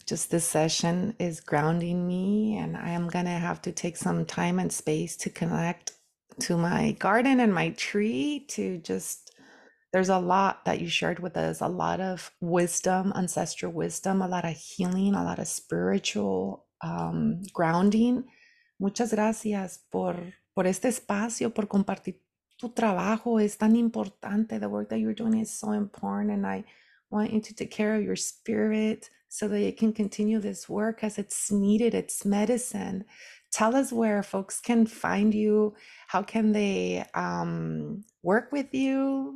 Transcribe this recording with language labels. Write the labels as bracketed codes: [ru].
[en] Just this session is grounding me, and I am gonna have to take some time and space to connect to my garden and my tree to just, there's a lot that you shared with us, a lot of wisdom, ancestral wisdom, a lot of healing, a lot of spiritual grounding. [es] Muchas gracias por este espacio, por compartir tu trabajo. Es tan importante. [en] The work that you're doing is so important, and I want you to take care of your spirit so that you can continue this work as it's needed. It's medicine. Tell us where folks can find you. How can they work with you?